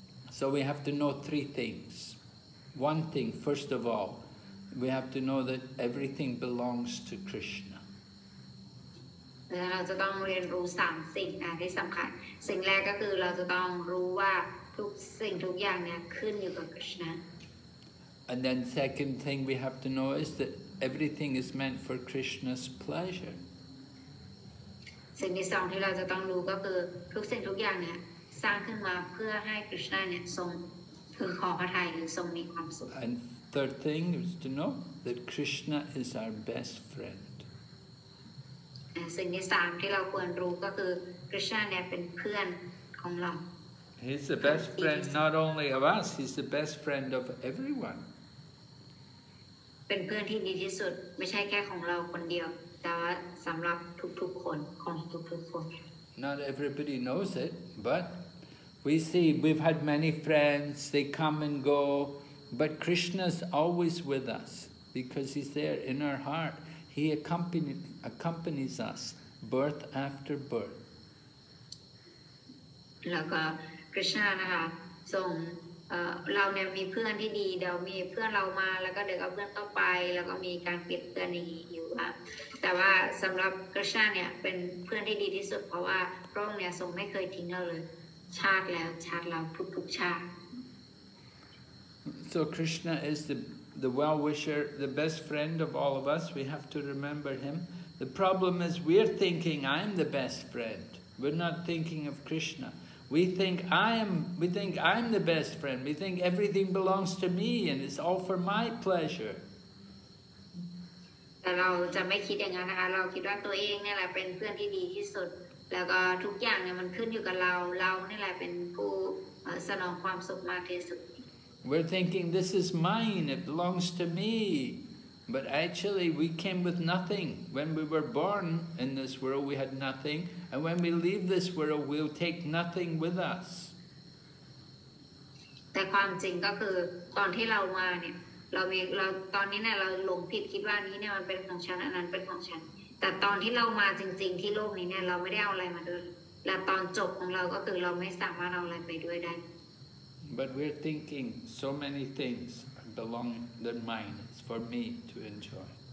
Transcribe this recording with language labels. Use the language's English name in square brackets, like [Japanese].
[English] So we have to know three things. One thing, first of all,We have to know that everything belongs to Krishna. We have to learn three things. The first thing is that [Thai] ทุกสิ่งทุกอย่างเนี่ยขึ้นอยู่กับกฤษณะ [English] And then second thing we have to know is that everything is meant for Krishna's pleasure. [Thai] สิ่งที่สองที่เราจะต้องรู้ก็คือทุกสิ่งทุกอย่างเนี่ยสร้างขึ้นมาเพื่อให้กฤษณะเนี่ยทรงพึงขอพระทัยหรือทรงมีความสุข [English] And third thing is to know that Krishna is our best friend. [Thai] สิ่งที่สามที่เราควรรู้ก็คือคริสต์เนี่ยเป็นเพื่อนของเรา [English] He's the best friend not only of us he's the best friend of everyone [Thai] เป็นเพื่อนที่ดีที่สุดไม่ใช่แค่ของเราคนเดียวแต่ว่าสำหรับทุกๆคนของทุกๆคน [English] Not everybody knows it but we see we've had many friends they come and go but Krishna's always with us because he's there in our heartHe accompanies us birth after birth. [Thai] แล้วก็ Krishna นะคะส่งเราเนี่ยมีเพื่อนที่ดีเดี๋ยวมีเพื่อนเรามาแล้วก็เดี๋ยวเอาเพื่อนต่อไปแล้วก็มีการเปรียบเทียบอยู่ว่าแต่ว่าสำหรับ Krishna เนี่ยเป็นเพื่อนที่ดีที่สุดเพราะว่าพระองค์เนี่ยทรงไม่เคยทิ้งเราเลยชาติแล้วชาติเราทุกๆชาติ [English] So Krishna is the well-wisher, the best friend of all of us, we have to remember him. The problem is we're thinking I'm the best friend. We're not thinking of Krishna. We think I'm the best friend. We think everything belongs to me and it's all for my pleasure. [Thai] แต่เราจะไม่คิดอย่างนั้นนะคะเราคิดว่าตัวเองนี่แหละเป็นเพื่อนที่ดีที่สุดแล้วก็ทุกอย่างเนี่ยมันขึ้นอยู่กับเราเรานี่แหละเป็นผู้สนองความสุขมากที่สุด [English] We're thinking, this is mine, it belongs to me. But actually, we came with nothing. When we were born in this world, we had nothing. And when we leave this world, we'll take nothing with us. [Thai] แต่ความจริงก็คือตอนที่เรามาเนี่ยเราตอนนี้เนี่ยเราหลงผิดคิดว่านี้เนี่ยมันเป็นของฉันอันนั้นเป็นของฉันแต่ตอนที่เรามาจริงๆที่โลกนี้เนี่ยเราไม่ได้เอาอะไรมาด้วยและตอนจบของเราก็คือเราไม่สามารถเอาอะไรไปด้วยได้ [English] But we're thinking so many things belong, they're mine, it's for me to enjoy.